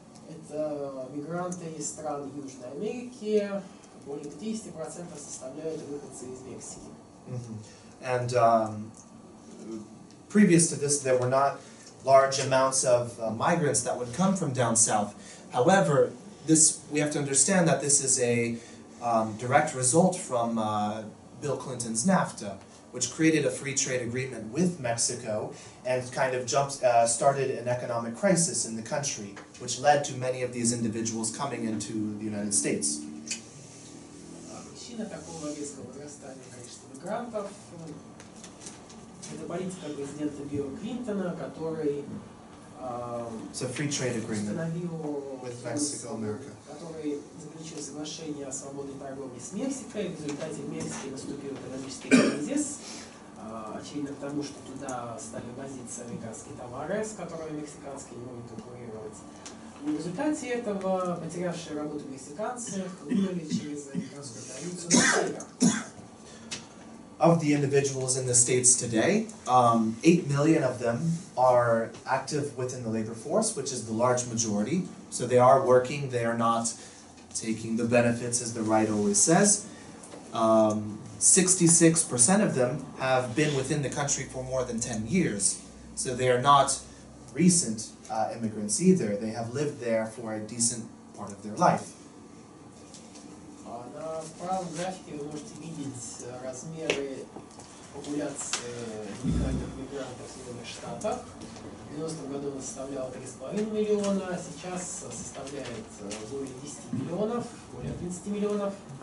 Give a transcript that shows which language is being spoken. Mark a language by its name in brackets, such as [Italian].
[Russian] Это мигранты из стран Южной Америки, более 50% составляют выходцы из Мексики. Mm-hmm. [English] And previous to this, there were not large amounts of migrants that would come from down south. However, this we have to understand that this is a direct result from Bill Clinton's NAFTA, which created a free trade agreement with Mexico and kind of started an economic crisis in the country, which led to many of these individuals coming into the United States. [Russian] Причина такого резкого вырастания количества мигрантов – это политика президента Билла Клинтона, который заключил соглашение о свободной торговле с Мексикой, в результате Мексики наступил экономический кризис, очевидно к тому, что туда стали возиться американские товары, с которыми мексиканские не могут конкурировать. В результате этого потерявшие работу мексиканцы хлынули через американскую революцию на север. [English] Of the individuals in the states today, 8 million of them are active within the labor force, which is the large majority. So they are working, they are not taking the benefits, as the right always says. 66% of them have been within the country for more than 10 years. So they are not recent immigrants either. They have lived there for a decent part of their life. [Russian] На правом графике вы можете видеть размеры популяции мигрантов в Соединенных Штатах. В 90-м году она составляла 3,5 миллиона, а сейчас составляет более 10 миллионов, более 11 миллионов.